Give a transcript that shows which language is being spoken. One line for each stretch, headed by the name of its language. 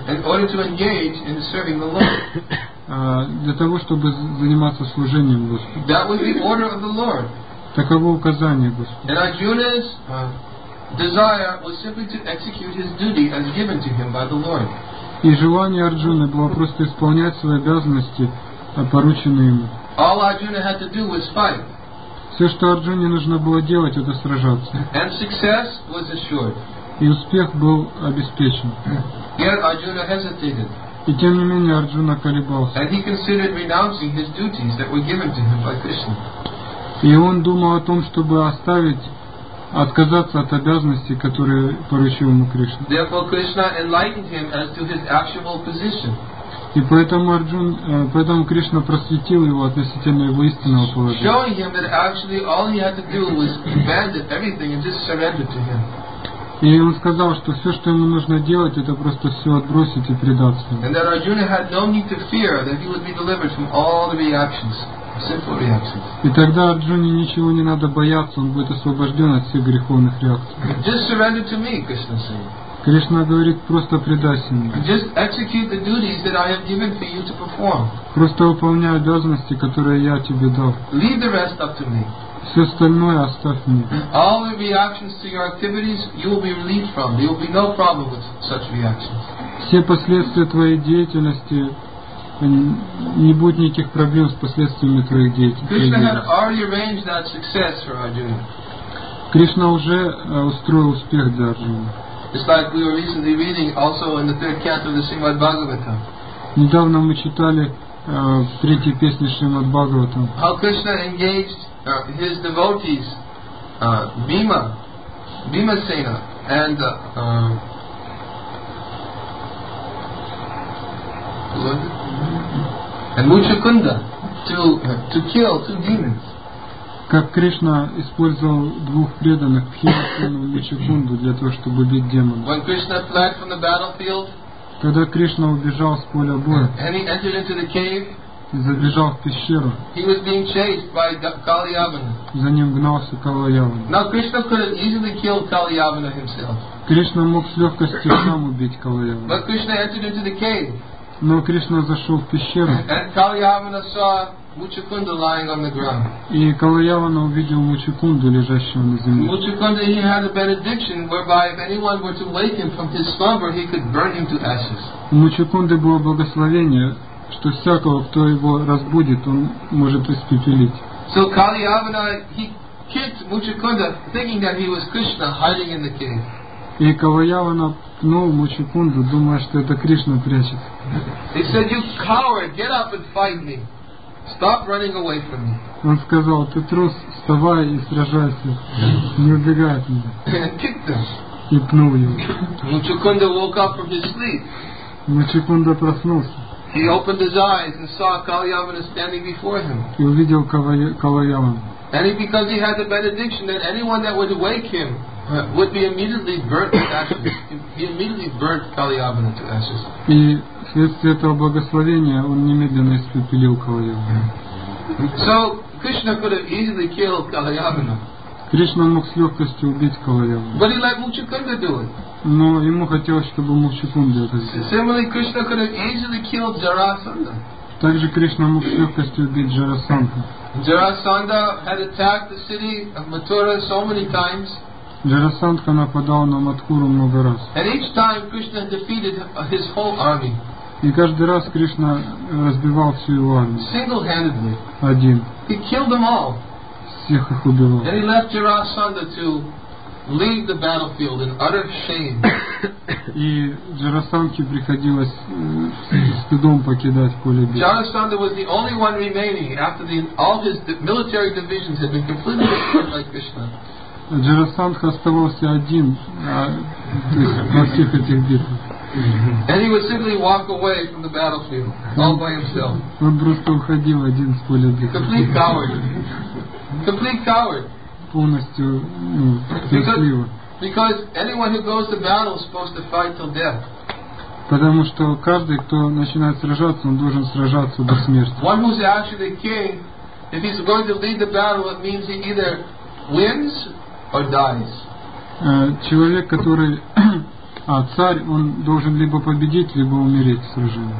English: In order to engage in serving the Lord.
Russian: Для того, чтобы заниматься служением Господу.
English: That was the order of the Lord.
Russian: Таково указание Господа.
English: And Arjuna's desire was simply to execute his duty as given to him by the Lord.
Russian: И желание Арджуны было просто исполнять свои обязанности, порученные ему.
English: All Arjuna had to do was fight.
Russian: Все, что Арджуне нужно было делать, это сражаться.
English: And success was assured.
Russian: И успех был обеспечен.
English: Yet Arjuna hesitated.
Russian: И тем не менее Арджуна колебался.
English: And he considered renouncing his duties that were given to him by Krishna.
Russian: И он думал о том, чтобы отказаться от обязанностей, которые поручил ему Кришна.
English: Therefore, Krishna enlightened him as to his actual position.
Russian: И поэтому Кришна просветил его относительно его истинного положения.
English: Showing him that actually all he had to do was abandon everything and just surrender to him.
Russian: И он сказал, что все, что ему нужно делать, это просто все отбросить и предаться.
English: And that Arjuna had no need to fear that he would be delivered from all the reactions, sinful reactions.
Russian: И тогда Арджуне ничего не надо бояться, он будет освобожден от всех греховных реакций.
English: Just surrender to me, Krishna said.
Russian: Кришна говорит, просто предайся мне.
English: Just execute the duties that I have given for you to perform.
Russian: Просто выполняй обязанности, которые я тебе дал.
English: Leave the rest up to me.
Russian: Все остальное оставь мне.
English: All the reactions to your activities you will be relieved from. There will be no problem with such reactions.
Russian: Все последствия твоей деятельности, не будет никаких проблем с последствиями твоих деятельности.
English: Krishna had already arranged that success for Arjuna.
Russian: Кришна уже устроил успех для Арджуны.
English: It's like we were recently reading also in the third canto of the Srimad Bhagavatam.
Russian: Недавно мы читали в третьей песне Шримад Бхагаватам.
English: How Krishna engaged his devotees, Bhimasena, and Muchakunda, to kill two demons.
Russian: Как Кришна использовал двух преданных, Бхимасену и Мучакунду, для того, чтобы убить демонов.
English: When Krishna fled from the battlefield,
Russian: когда Кришна убежал с поля боя,
English: and he entered into the cave,
Russian: и забежал в пещеру.
English: He was being chased by Kaliyavana.
Russian: За ним гнался Калиявана.
English: Now Krishna could have easily killed Kaliyavana himself.
Russian: Кришна мог с легкостью сам убить Калиявана.
English: But Krishna entered into the cave.
Russian: Но Кришна зашел в пещеру.
English: And Kaliyavana saw Muchakunda lying on the ground.
Russian: И Калиявана увидел Мучакунду, лежащего на земле.
English: Muchakunda, he had a benediction whereby if anyone were to wake him from his slumber, he could burn him to ashes.
Russian: У Мучакунды было благословение, что всякого, кто его разбудит, он может испепелить.
English: So Kaliyavana, he kicked Muchakunda, thinking that he was Krishna hiding in the cave.
Russian: И Каваявана пнул Мучикунду, думая, что это Кришна прячет.
English: He said, "You coward, get up and fight me. Stop running away from me."
Russian: Он сказал, ты трус, вставай и сражайся, не убегай от меня. И пнул его.
English: Мучикунда woke up from his sleep.
Russian: Мучикунда проснулся.
English: He opened his eyes and saw Kalyavana standing before him.
Russian: И увидел Каваявану.
English: And he, because he had the benediction that anyone that would wake him would be immediately burnt to ashes. He immediately burnt Kalyavana to ashes.
Russian: И вследствие этого благословения он немедленно испепелил Калаяму.
English: So Krishna could have easily killed Kalyavana.
Russian: Кришна мог с легкостью убить Каваяму.
English: But he let Мучикунда do it.
Russian: Но ему хотелось, чтобы Мучикунда это сделал.
English: Similarly, Krishna could have easily killed Jarasandha.
Russian: Также Кришна мог с легкостью убить Джарасандху.
English: Jarasandha had attacked the city of Mathura so many times.
Russian: Джарасандха нападал на Матхуру много раз.
English: And each time Krishna defeated his whole army.
Russian: И каждый раз Кришна разбивал всю его армию.
English: Single-handedly.
Russian: Один.
English: He killed them all.
Russian: Всех их убивал.
English: And he left Jarasandha to leave the battlefield in utter shame.
Russian: И Джарасандхе приходилось с стыдом покидать поле битвы.
English: Jarasandha was the only one remaining after all his military divisions had been completely destroyed by Krishna.
Russian: Джарасандха оставался один на всех этих битвах.
English: And he would simply walk away from the battlefield all by himself.
Russian: Он просто уходил один с поля битвы.
English: Complete coward. Complete coward.
Russian: Полностью, ну,
English: because anyone who goes to battle is supposed to fight till death.
Russian: Потому что каждый, кто начинает сражаться, он должен сражаться до смерти.
English: One who's actually king, if he's going to lead the battle, it means he either wins or dies.
Russian: Человек, который царь, он должен либо победить, либо умереть в сражении.